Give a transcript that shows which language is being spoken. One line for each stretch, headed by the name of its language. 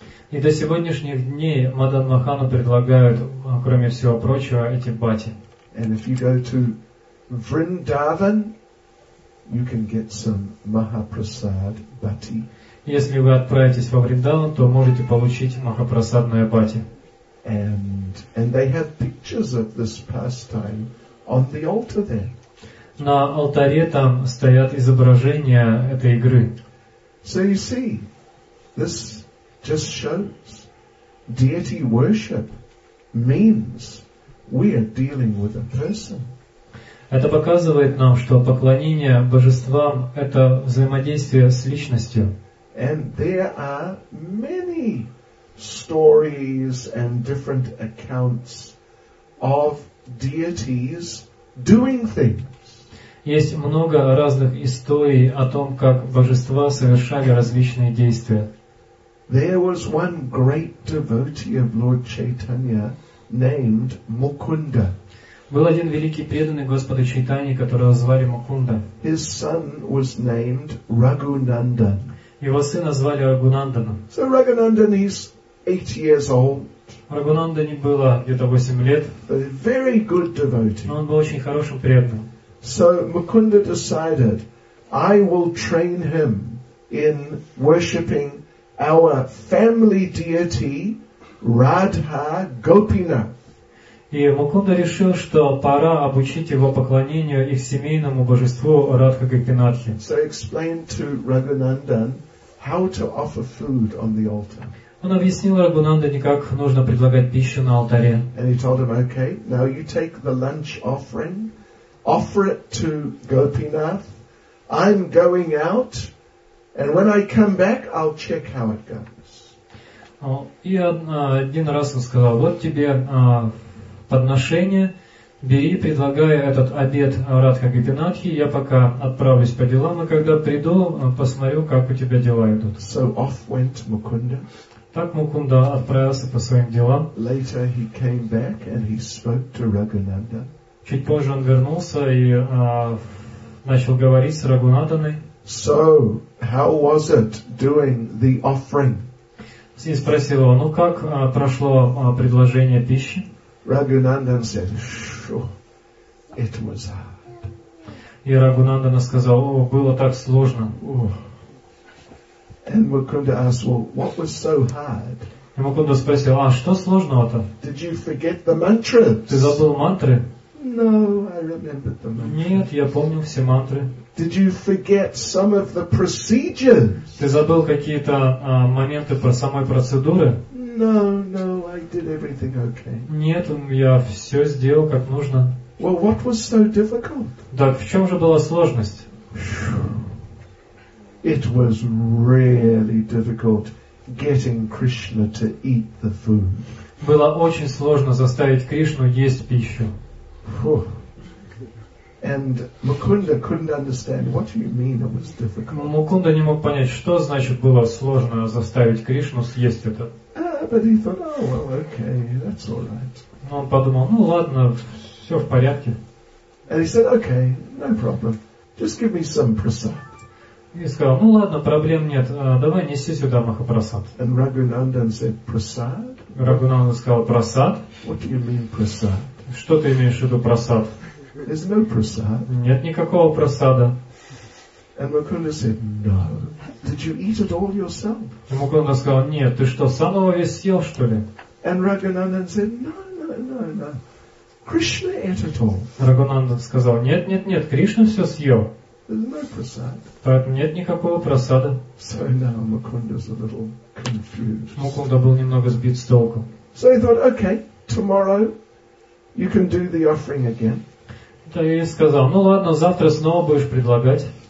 Russian: И до сегодняшних дней Мадан Махану предлагают, кроме всего прочего, эти бати.
English: And if you go to Vrindavan, you can get some Mahaprasad bati.
Russian: Если вы отправитесь во Вриндаван, то можете получить махапрасадное бати.
English: And they have pictures of this pastime on the altar there.
Russian: На алтаре там стоят изображения этой игры.
English: So you see, this just shows deity worship means we are dealing with a person.
Russian: Это показывает нам, что поклонение божествам – это взаимодействие с личностью.
English: And there are many stories and different accounts of deities doing things.
Russian: Есть много разных историй о том, как божества совершали различные действия.
English: There was one great devotee of Lord Chaitanya named Mukunda.
Russian: Был один великий преданный Господа Чайтаньи, которого звали Мукунда.
English: His son was named Raghunandan.
Russian: Его сына звали Рагунанданом.
English: So Raghunandan is 8 years old.
Russian: Рагунандане было где-то 8 лет.
English: But a very good devotee.
Russian: Но он был очень хорошим преданным.
English: So Mukunda decided, I will train him in worshipping our family deity, Radha Gopina.
Russian: И Мукунда решил, что пора обучить его поклонению их семейному божеству Радха Гопинатхи.
English: So explain to Raghunandan how to offer food on the altar.
Russian: Он объяснил Рагунандане, как нужно предлагать пищу на алтаре.
English: And he told him, okay, now you take the lunch offering, offer it to Gopinath. I'm going out, and when I come back, I'll check how it goes.
Russian: И один раз он сказал, вот тебе подношение, бери, предлагай этот обед Радха Гопинатхи, я пока отправлюсь по делам, и когда приду, посмотрю, как у тебя дела идут.
English: So off went Mukunda.
Russian: Так Мукунда отправился по своим делам.
English: Later he came back and he spoke to Raghunanda.
Russian: Чуть позже он вернулся и начал говорить с Рагунанданой.
English: So, how was it doing the offering?
Russian: И спросил его, ну как прошло предложение пищи?
English: Raghunandan said, sure, it was hard.
Russian: И Рагунандана сказал, о, было так сложно.
English: And Mukunda asked, well, what was so hard?
Russian: И Мукунда спросил, а что сложного-то?
English: Did you forget the mantras?
Russian: Ты забыл мантры?
English: No, I remembered the mantras.
Russian: Нет, я помню все мантры.
English: Did you forget some of the procedures?
Russian: Ты забыл какие-то моменты про самой процедуры?
English: No, I did everything okay.
Russian: Нет, я все сделал как нужно.
English: Well, what was so difficult?
Russian: Так в чем же была сложность?
English: It was really difficult getting Krishna to eat the food.
Russian: Было очень сложно заставить Кришну есть пищу.
English: And Mukunda couldn't understand what you mean it was difficult.
Russian: Мукунда не мог понять, что значит было сложно заставить Кришну съесть это.
English: But he thought, oh well, okay, that's all right.
Russian: Он подумал, ну ладно, все в порядке.
English: And he said, okay, no problem. Just give me some prasad.
Russian: И сказал, ну ладно, проблем нет, давай неси сюда Махапрасад.
English: And Raghunandan said, Prasad?
Russian: Raghunandan сказал, Прасад?
English: What do you mean, Prasad?
Russian: Что ты имеешь в виду, Прасад?
English: There's no Prasad.
Russian: Нет никакого Прасада.
English: And Mukunda said, no. Did you eat it all yourself?
Russian: И Мукунда сказал, нет, ты что, сам его весь съел, что ли?
English: And Raghunandan said, no. Krishna ate it all.
Russian: Raghunandan сказал, нет, Кришна все съел.
English: There's no prasad.
Russian: Так, нет никакого просада.
English: So now Mukunda's a little confused.
Russian: Мукунда был немного сбит с толку.
English: So he thought, okay, tomorrow you can do the offering again.
Russian: Да, и сказал, ну ладно, завтра снова будешь предлагать.